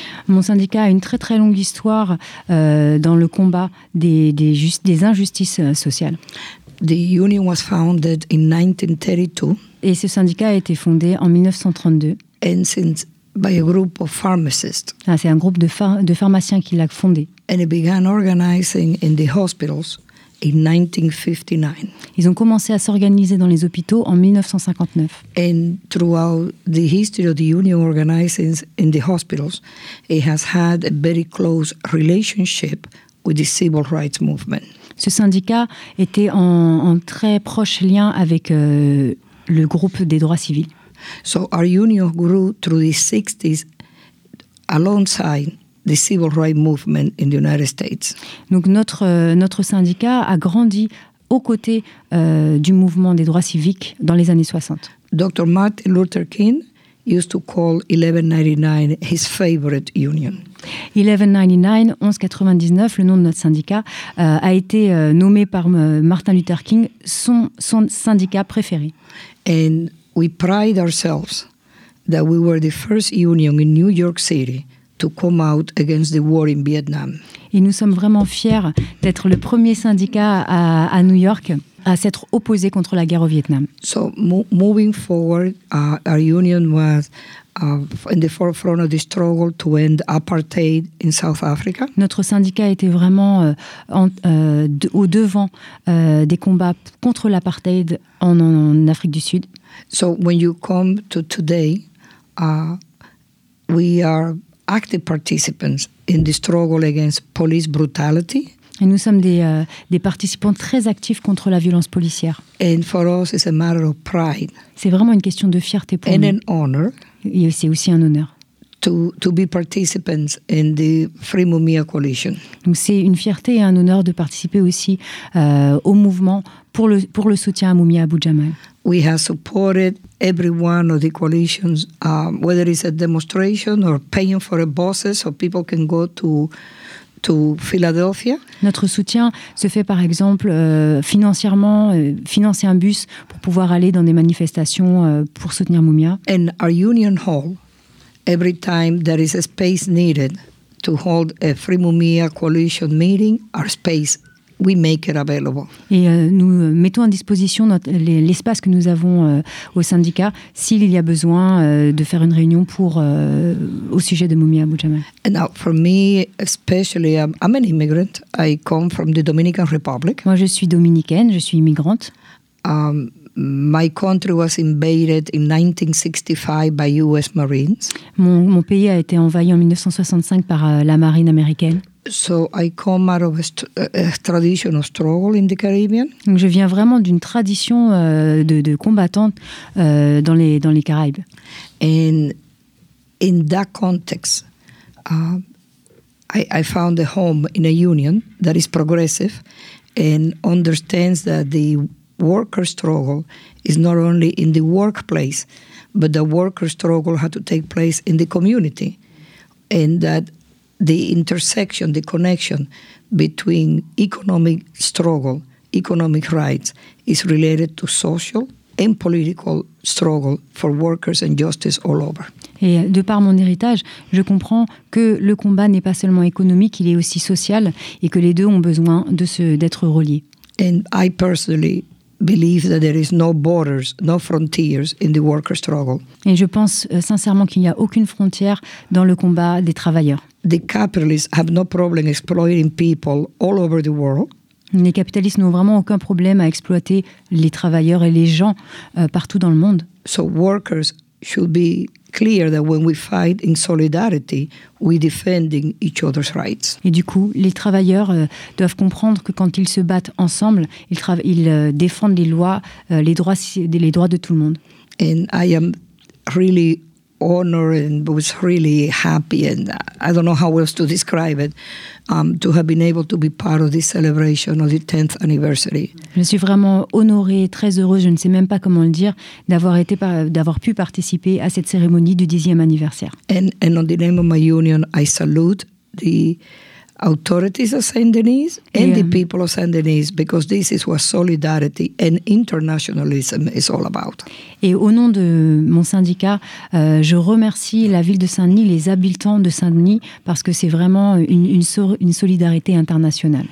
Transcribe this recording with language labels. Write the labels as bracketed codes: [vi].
[fr] Mon syndicat a une très très longue histoire dans le combat des injustices sociales. [en] The union was founded in 1932. [fr] Et ce syndicat a été fondé en 1932. [en] And since by a group of pharmacists. [fr] Ah, c'est un groupe de pharmaciens qui l'a fondé. [en] And they began organizing in the hospitals in 1959. [fr] Ils ont commencé à s'organiser dans les hôpitaux en 1959. [en] And throughout the history of the union organizing in the hospitals, it has had a very close relationship with the civil rights movement. [fr] Ce syndicat était en très proche lien avec le groupe des droits civils. [en] So our union grew through the 60s alongside the civil rights movement in the United States. [fr] Donc notre syndicat a grandi aux côtés du mouvement des droits civiques dans les années 60. [en] Dr. Martin Luther King used to call 1199 his favorite union. [fr] 1199, le nom de notre syndicat, a été nommé par Martin Luther King son syndicat préféré. [en] And we pride ourselves that we were the first union in New York City to come out against the war in Vietnam. [fr] Et nous sommes vraiment fiers d'être le premier syndicat à New York à s'être opposé contre la guerre au Vietnam. [en] So moving forward, our union was in the forefront of the struggle to end apartheid in South Africa. [fr] Notre syndicat était vraiment au devant des combats contre l'apartheid en Afrique du Sud. [en] So when you come to today, we are active participants in the struggle against police brutality. [fr] Et nous sommes des participants très actifs contre la violence policière. [en] And for us, it's a matter of pride. [fr] C'est vraiment une question de fierté pour [en] and [fr] nous. [en] And an honor. [fr] Et c'est aussi un honneur. [en] To be participants in the Free Mumia Coalition. [fr] Donc c'est une fierté et un honneur de participer aussi au mouvement pour le soutien à Mumia Abou-Jamal. [en] We have supported every one of the coalitions, whether it's a demonstration or paying for a buses so people can go to Philadelphia. [fr] Notre soutien se fait par exemple financièrement, financer un bus pour pouvoir aller dans des manifestations pour soutenir Mumia. [en] And our union hall, every time there is a space needed to hold a Frimumia coalition meeting, our space, we make it available. [fr] Et nous mettons à disposition l'espace que nous avons au syndicat s'il y a besoin de faire une réunion pour au sujet de Mumia Abu-Jamal. [en] And now, for me, especially, I'm an immigrant. I come from the Dominican Republic. [fr] Moi, je suis dominicaine, je suis immigrante. [en] My country was invaded in 1965 by U.S. Marines. [fr] Mon pays a été envahi en 1965 par la marine américaine. [en] So I come out of a traditional struggle in the Caribbean. [fr] Donc je viens vraiment d'une tradition de combattante dans les Caraïbes. [en] And in that context, I found a home in a union that is progressive and understands that the worker struggle is not only in the workplace, but the worker struggle had to take place in the community, and that the intersection, the connection between economic struggle, economic rights, is related to social and political struggle for workers and justice all over. [fr] Et de par mon héritage, je comprends que le combat n'est pas seulement économique, il est aussi social, et que les deux ont besoin d'être reliés. [en] And I personally believe that there is no borders, no frontiers in the worker struggle. [fr] Et je pense sincèrement qu'il n'y a aucune frontière dans le combat des travailleurs. [en] The capitalists have no problem exploiting people all over the world. [fr] Les capitalistes n'ont vraiment aucun problème à exploiter les travailleurs et les gens partout dans le monde. [en] So workers should be clear that when we fight in solidarity, we're defending each other's rights. [fr] Et du coup, les travailleurs doivent comprendre que quand ils se battent ensemble, ils défendent les lois, les droits de tout le monde. [en] And I am really honored and was really happy, and I don't know how else to describe it, to have been able to be part of this celebration of the 10th anniversary. [fr] Je suis vraiment honorée, très heureuse, je ne sais même pas comment le dire, d'avoir pu participer à cette cérémonie du 10e anniversaire. [en] And on the name of my union, I salute the authorities of Saint-Denis and the people of Saint-Denis, because this is what solidarity and internationalism is all about. [fr] Et au nom de mon syndicat, je remercie la ville de Saint-Denis, les habitants de Saint-Denis, parce que c'est vraiment une solidarité internationale.